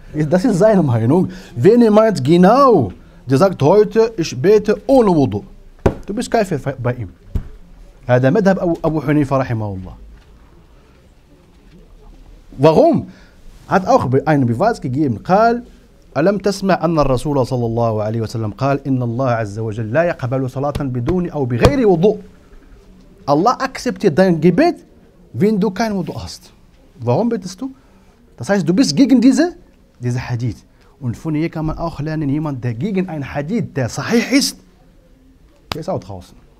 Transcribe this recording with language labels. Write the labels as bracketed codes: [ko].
[de] Das ist seine Meinung. Wenn er meint, genau, der sagt heute, ich bete ohne Wudu, du bist Kafir bei ihm. Der Madhab Abu Hanifa, rahimahullah. Warum? Hat auch einen Beweis gegeben. [ar] قال ألم تسمع أن الرسول صلى الله عليه وسلم قال إن الله عز وجل لا يقبل صلاة بدون أو بغير وضوء. [de] Allah akzeptiert dein Gebet, wenn du kein Wudu hast. Warum betest du? Das heißt, du bist gegen diese Hadith. Und von hier kann man auch lernen, jemand, der gegen ein Hadith, der sahih ist, der ist auch draußen.